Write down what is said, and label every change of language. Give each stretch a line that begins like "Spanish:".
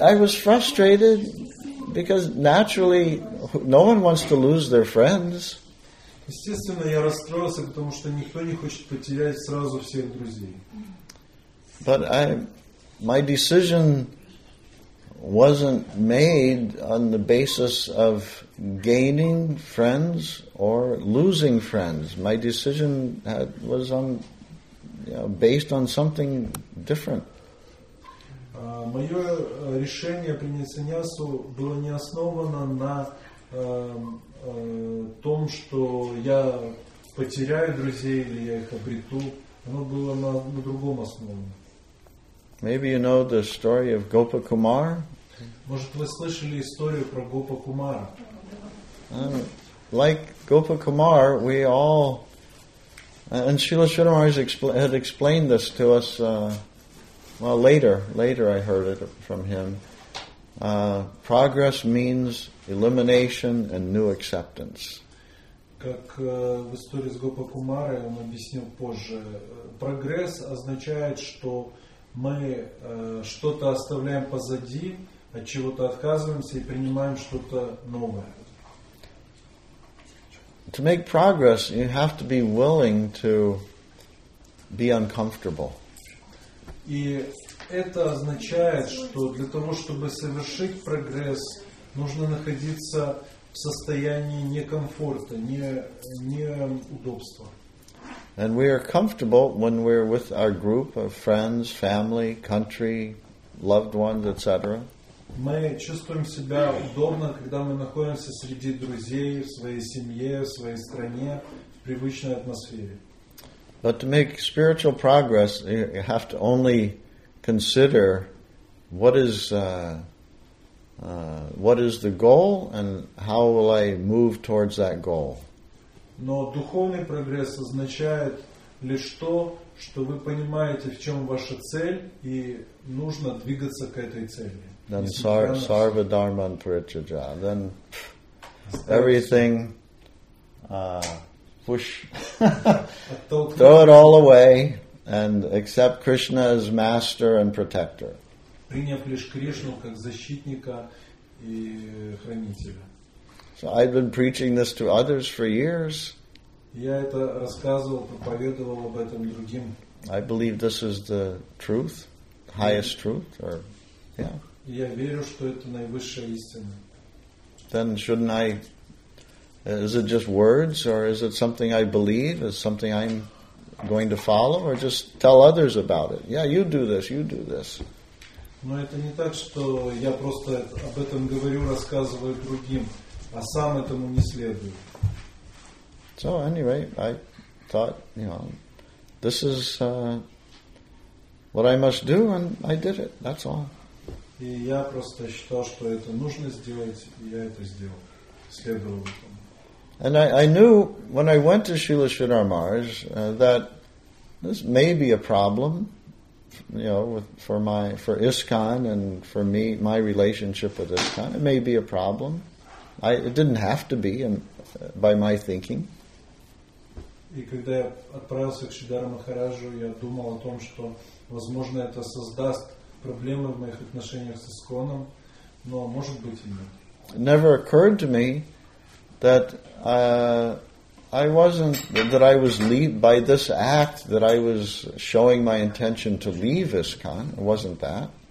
English: I was frustrated because naturally no one wants to lose their friends.
Russian: Естественно, я расстроился, потому что никто не хочет потерять сразу всех друзей.
English: But my decision wasn't made on the basis of gaining friends or losing friends. My decision was on, based on something different.
Russian: Мое решение принять саньясу было не основано на том, что я потеряю друзей или я их обрету, оно было на другом основе.
English: Maybe you know the story of Gopa Kumar?
Russian: Может, вы слышали историю про Гопа Кумара?
English: Like Gopa Kumar, we all, and Srila Shrimar had explained this to us, later I heard it from him. Progress means elimination and new acceptance.
Russian: Как в истории с Гопа Кумара он объяснил позже, прогресс означает, что мы что-то оставляем позади, от чего-то отказываемся и принимаем что-то новое.
English: To make progress, you have to be willing to be uncomfortable.
Russian: И это означает, что для того, чтобы совершить прогресс, нужно находиться в состоянии некомфорта, неудобства.
English: And we are comfortable when we're with our group of friends, family, country, loved ones, etc.
Russian: Мы чувствуем себя удобно, когда мы находимся среди друзей, в своей семье, в своей стране, в привычной атмосфере.
English: But to make spiritual progress, you have to only consider what is the goal and how will I move towards that goal.
Russian: Но духовный прогресс означает лишь то, что вы понимаете, в чем ваша цель, и нужно двигаться к этой цели.
English: Then
Sanskrit: sarva dharma parityaja.
English: Then everything push throw it all away. And accept Krishna as master and protector.
Russian: Приняв лишь Кришну как защитника и хранителя.
English: So I've been preaching this to others for years.
Russian: Я это рассказывал, проповедовал об этом другим.
English: I believe this is the truth, highest truth, or yeah.
Russian: Я верю, что это наивысшая истина.
English: Then shouldn't I? Is it just words, or is it something I believe? Is something I'm going to follow, or just tell others about it? Yeah, you do this, you do this.
Russian: Но это не так, что я просто об этом говорю, рассказываю другим, а сам этому не следую.
English: So anyway, I thought, this is what I must do, and I did it. That's all.
Russian: И я просто считал, что это нужно сделать, и я это сделал. Следовало.
English: And I knew when I went to Srila Sridhar Maharaj that this may be a problem, for ISKCON and for me, my relationship with ISKCON, it may be a problem. It didn't have to be, by my thinking.
Russian: И когда я отправился к Шридхару Махараджу, я думал о том, что, возможно, это создаст проблемы в моих отношениях с ИСККОНом, но может быть и нет.
English: It never occurred to me that I was showing my intention to leave ISKCON. It wasn't that.